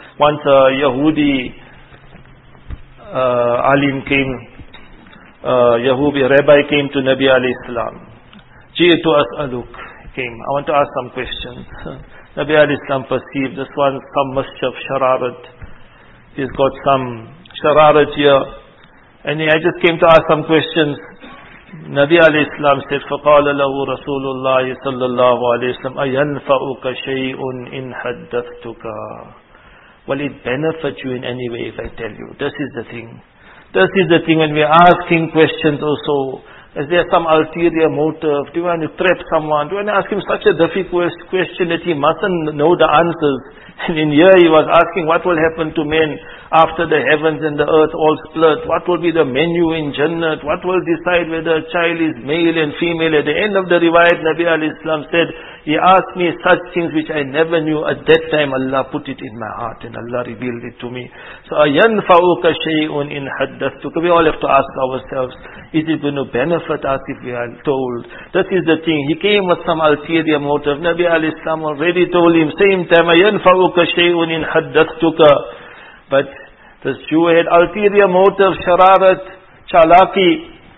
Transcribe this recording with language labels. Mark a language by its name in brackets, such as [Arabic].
[English] Once a Yahudi alim came, Yahubi rabbi came to Nabi alayhi salam. Jiyatu as'aluk came, I want to ask some questions. Nabi alayhi salam perceived this one, some mischief, shararat. He's got some shararat here. And I just came to ask some questions. Nabi alayhi salam said, [Arabic] فَقَالَ لَهُ رَسُولُ اللَّهِ صَلَّى اللَّهُ عَلَيْهِ وَسَلَّمَ أَيَنْفَعُكَ شَيْءٌ إِنْ حَدَّثْتُكَ. [English] Will it benefit you in any way if I tell you? This is the thing. This is the thing when we're asking questions also. is there some ulterior motive? Do you want to trap someone? Do you want to ask him such a difficult question that he mustn't know the answers? And in here he was asking, what will happen to men after the heavens and the earth all split? What will be the menu in Jannah? What will decide whether a child is male and female? At the end of the riwayat, Nabi alayhi salam said, he asked me such things which I never knew. At that time Allah put it in my heart and Allah revealed it to me. [Arabic] So, أَيَنْفَعُكَ شَيْءٌ إِنْ حَدَّثْتُكَ. [English] We all have to ask ourselves, is it going to benefit us if we are told? That is the thing. He came with some ulterior motive. Nabi alayhi salam already told him, same time, [Arabic] أَيَنْفَعُكَ شَيْءٌ إِنْ حَدَّثْتُكَ. [English] But this Jew had ulterior motive, shararat, chalaki.